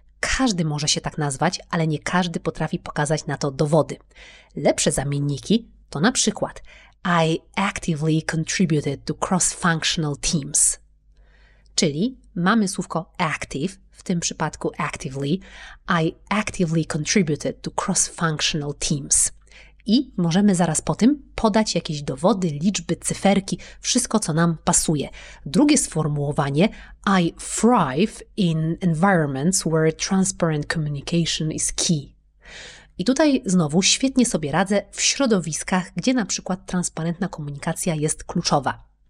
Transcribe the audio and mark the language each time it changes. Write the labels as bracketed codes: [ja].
[pl] Każdy może się tak nazwać, ale nie każdy potrafi pokazać na to dowody. Lepsze zamienniki to na przykład [en] I actively contributed to cross-functional teams. [pl] Czyli mamy słówko active, w tym przypadku actively. [en] I actively contributed to cross-functional teams. [pl] I możemy zaraz po tym podać jakieś dowody, liczby, cyferki, wszystko co nam pasuje. Drugie sformułowanie [en] I thrive in environments where transparent communication is key. [pl] I tutaj znowu świetnie sobie radzę w środowiskach, gdzie na przykład transparentna komunikacja jest kluczowa.